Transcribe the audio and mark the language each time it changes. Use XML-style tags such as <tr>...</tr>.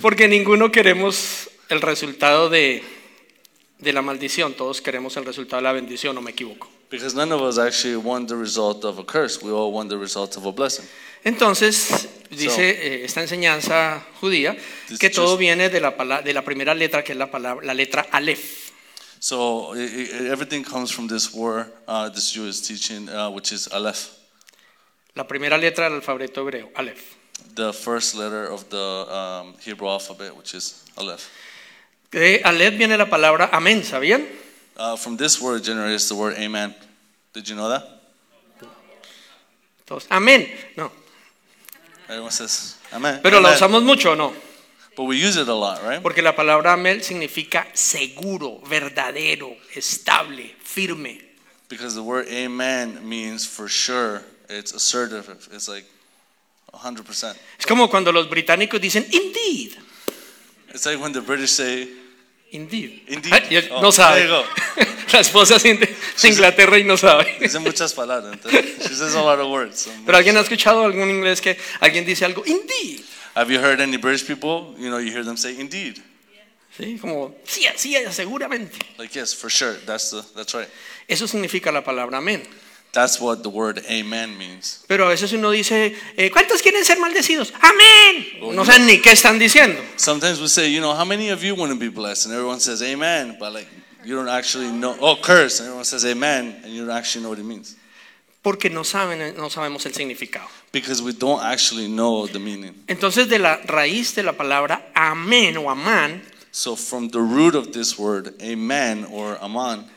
<es>Porque ninguno queremos el resultado de la maldición, todos queremos el resultado de la bendición, ¿o me equivoco?</es> <en>Because none of us actually want the result of a curse, we all want the result of a blessing.</en> <es>Entonces, dice esta enseñanza judía que todo viene de la primera letra, que es la letra Aleph.</es> <en>So everything comes from this word, this Jewish teaching, which is Aleph.</en> <es>La primera letra del alfabeto hebreo, Aleph.</es> <en>The first letter of the Hebrew alphabet, which is Aleph.</en> <es>De Aleph viene la palabra Amén, ¿sabían?</es> <en>From this word generates the word Amen. Did you know that?</en> <es>Entonces, Amén, no.</es> <en>Everyone says, amen.</en> <es>Pero</es> <en>amen.</en> <es>La usamos mucho, ¿no?</es> <en>But we use it a lot, right?</en> <es>Porque la palabra amel significa seguro, verdadero, estable, firme.</es> <en>Because the word amen means for sure, it's assertive, it's like 100%.</en> <es>Es como cuando los británicos dicen, indeed.</es> <en>It's like when the British say, indeed. Indeed.</en> <es>No sabe. La esposa de Inglaterra y no sabe. Dice muchas palabras.</es> <en>Entonces, she says a lot of words. So</en> <es>pero alguien ha escuchado algún inglés que alguien dice algo, indeed.</es> <en>Have you heard any British people, you know, you hear them say indeed?</en> <es>Sí, como sí, sí, seguramente.</es> <en>Like yes, for sure. That's right.</en> <es>Eso significa la palabra amén.</es> <en>That's what the word amen means.</en> <es>Pero a veces uno dice, ¿cuántos quieren ser maldecidos? Amén. No saben ni qué están diciendo.</es> <en>Sometimes we say, you know, how many of you want to be blessed? And everyone says amen, but like you don't actually know. Oh, curse. And everyone says amen, and you don't actually know what it means.</en> <es>Porque no sabemos el significado.</es> <en>Because we don't actually know the meaning.</en> <es>Entonces de la raíz de la palabra amén o amán.</es> <en>So from the root of this word, amen or aman,</en>